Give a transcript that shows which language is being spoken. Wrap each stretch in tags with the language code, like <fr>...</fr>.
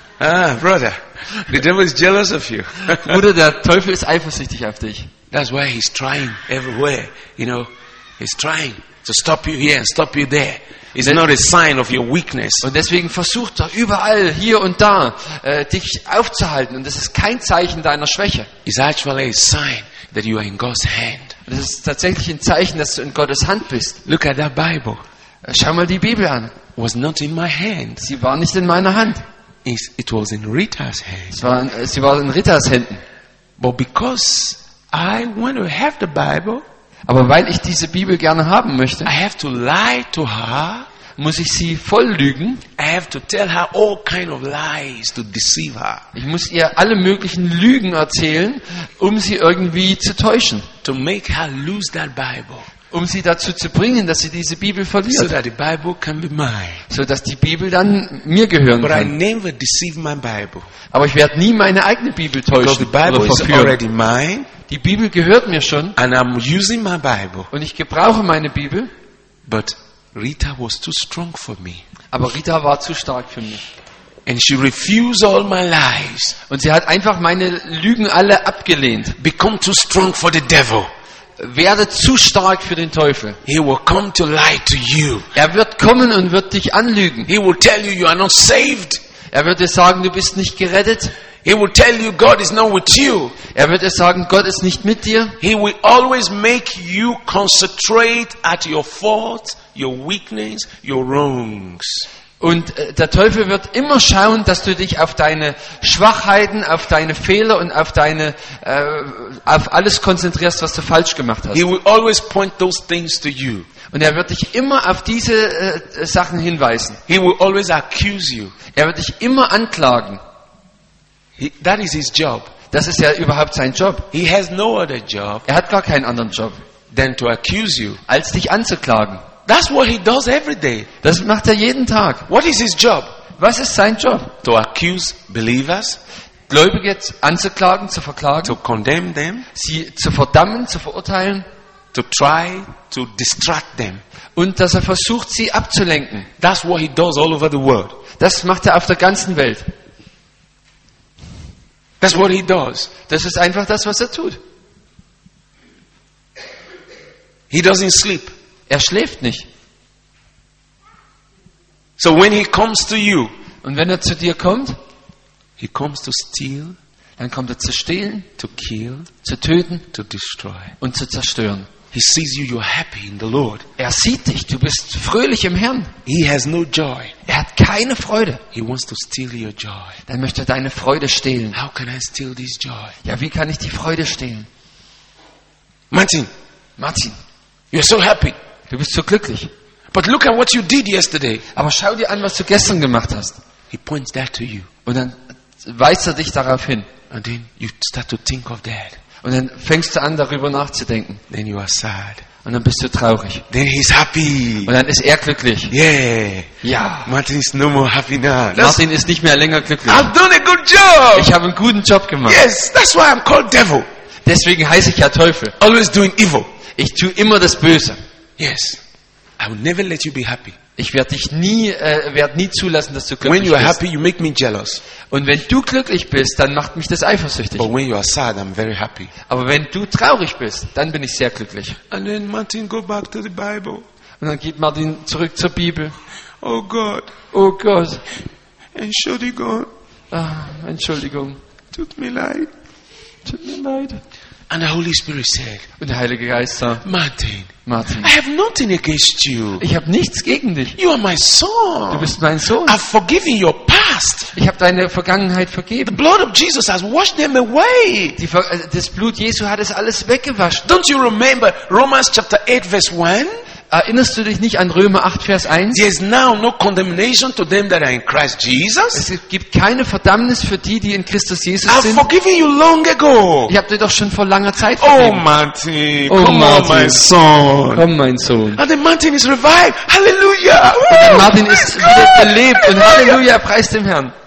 <en>Ah, brother, the devil is jealous of you.</en> <de>Bruder, der Teufel ist eifersüchtig auf dich.</de> <en>That's why he's trying everywhere, you know. He's trying to stop you here and stop you there. It's not a sign of your weakness.</en> <de>Und deswegen versucht er überall, hier und da, dich aufzuhalten. Und das ist kein Zeichen deiner Schwäche.</de> <en>It's actually a sign that you are in God's hand.</en> <de>Das ist tatsächlich ein Zeichen, dass du in Gottes Hand bist.</de> <en>Look at that Bible.</en> <de>Schau mal die Bibel an.</de> <en>Was not in my hand.</en> <de>Sie war nicht in meiner Hand.</de> <en>It was in Rita's hand.</en> <de>Sie war in Ritas Händen.</de> <en>But because I want to have the Bible,</en> <de>aber weil ich diese Bibel gerne haben möchte,</de> <en>I have to lie to her,</en> <de>muss ich sie voll lügen.</de> <en>I have to tell her all kind of lies to deceive her.</en> <de>Ich muss ihr alle möglichen Lügen erzählen, um sie irgendwie zu täuschen.</de> <en>To make her lose that Bible.</en> <de>Um sie dazu zu bringen, dass sie diese Bibel verliert.</de> <en>So that the Bible can be mine.</en> <de>So dass die Bibel dann mir gehören</de> <en>But</en> <de>kann.</de> <en>I never deceive my Bible.</en> <de>Aber ich werde nie meine eigene Bibel täuschen.</de> <en>Because the Bible</en> <de>oder verführen.</de> <en>Is already mine,</en> <de>die Bibel gehört mir schon.</de> <en>And I'm using my Bible.</en> <de>Und ich gebrauche meine Bibel.</de> <en>But Rita was too strong for me.</en> <de>Aber Rita war zu stark für mich.</de> <en>And she refused all my lies.</en> <de>Und sie hat einfach meine Lügen alle abgelehnt.</de> <en>Become too strong for the devil.</en> <de>Werde zu stark für den Teufel.</de> <en>He will come to lie to you.</en> <de>Er wird kommen und wird dich anlügen.</de> <en>He will tell you, you are not saved.</en> <de>Er wird dir sagen, du bist nicht gerettet.</de> <en>He will tell you, God is not with you.</en> <de>Er wird dir sagen, Gott ist nicht mit dir.</de> <en>He will always make you concentrate at your faults, your weakness, your wrongs.</en> <de>Und der Teufel wird immer schauen, dass du dich auf deine Schwachheiten, auf deine Fehler und auf deine auf alles konzentrierst, was du falsch gemacht hast.</de> <en>He will always point those things to you.</en> <de>Und er wird dich immer auf diese Sachen hinweisen.</de> <en>He will always accuse you.</en> <de>Er wird dich immer anklagen.</de> <en>That is his job.</en> <de>Das ist ja überhaupt sein Job.</de> <en>He has no other job.</en> <de>Er hat gar keinen anderen Job,</de> <en>than to accuse you.</en> <de>Als dich anzuklagen.</de> <en>That's what he does every day.</en> <de>Das macht er jeden Tag.</de> <en>What is his job?</en> <de>Was ist sein Job?</de> <en>To accuse believers,</en> <de>Gläubige anzuklagen, zu verklagen,</de> <en>to condemn them,</en> <de>sie zu verdammen, zu verurteilen,</de> <en>to try to distract them,</en> <de>und dass er versucht, sie abzulenken.</de> <en>That's what he does all over the world.</en> <de>Das macht er auf der ganzen Welt.</de> <en>That's what he does.</en> <de>Das ist einfach das, was er tut.</de> <en>He doesn't sleep.</en> <de>Er schläft nicht.</de> <en>So when he comes to you,</en> <de>und wenn er zu dir kommt,</de> <en>he comes to steal,</en> <de>dann kommt er zu stehlen,</de> <en>to kill,</en> <de>zu töten,</de> <en>to destroy,</en> <de>und zu zerstören.</de> <en>He sees you, you're happy in the Lord.</en> <de>Er sieht dich, du bist fröhlich im Herrn.</de> <en>He has no joy.</en> <de>Er hat keine Freude.</de> <en>He wants to steal your joy.</en> <de>Dann möchte er deine Freude stehlen.</de> <en>How can I steal this joy?</en> <de>Ja, wie kann ich die Freude stehlen?</de> <en>Martin, you're so happy.</en> <de>Du bist so glücklich.</de> <en>But look at what you did yesterday.</en> <de>Aber schau dir an, was du gestern gemacht hast.</de> <en>He points that to you.</en> <de>Und dann weist er dich darauf hin.</de> <en>And then you start to think of that.</en> <de>Und dann fängst du an, darüber nachzudenken.</de> <en>Then you are sad.</en> <de>Und dann bist du traurig.</de> <en>Then he's happy.</en> <de>Und dann ist er glücklich.</de> <en>Yeah.</en> <de>Ja.</de> <en>Martin is no more happy now.</en> <de>Martin ist nicht mehr länger glücklich.</de> <en>I've done a good job.</en> <de>Ich habe einen guten Job gemacht.</de> <en>Yes, that's why I'm called devil.</en> <de>Deswegen heiße ich ja Teufel.</de> <en>Always doing evil.</en> <de>Ich tue immer das Böse.</de> <en>Yes, I will never let you be happy.</en> <de>Ich werde dich nie, werde nie zulassen, dass du glücklich bist.</de> <en>When you are happy, you make me jealous.</en> <de>Und wenn du glücklich bist, dann macht mich das eifersüchtig.</de> <en>But when you are sad, I'm very happy.</en> <de>Aber wenn du traurig bist, dann bin ich sehr glücklich.</de> <en>And then Martin, go back to the Bible.</en> <de>Und dann geht Martin zurück zur Bibel.</de> <en>Oh God.</en> <de>Oh Gott. Entschuldigung. Ah, Entschuldigung. Tut mir leid. Tut mir leid.</de> <en>And the Holy Spirit said,</en> <de>und der Heilige Geist sagt,</de> <en>Martin, I have nothing against you.</en> <de>Ich habe nichts gegen dich.</de> <en>You are my son.</en> <de>Du bist mein Sohn.</de> <en>I've forgiven your past.</en> <de>Ich habe deine Vergangenheit vergeben.</de> <en>The blood of Jesus has washed them away.</en> <de>Das Blut Jesu hat es alles weggewaschen.</de> <en>Don't you remember Romans chapter 8 verse 1?</en> <de>Erinnerst du dich nicht an Römer 8, Vers 1?</de> <en>There is now no condemnation to them that are in Christ Jesus.</en> <de>Es gibt keine Verdammnis für die, die in Christus Jesus sind.</de> <en>I've forgiven you long ago.</en> <de>Ich habe dir doch schon vor langer Zeit vergeben. Oh Martin, Komm, mein Sohn.</de> <en>And Martin is revived. Hallelujah.</en> <de>Martin ist belebt und Halleluja, er preist dem Herrn.</de>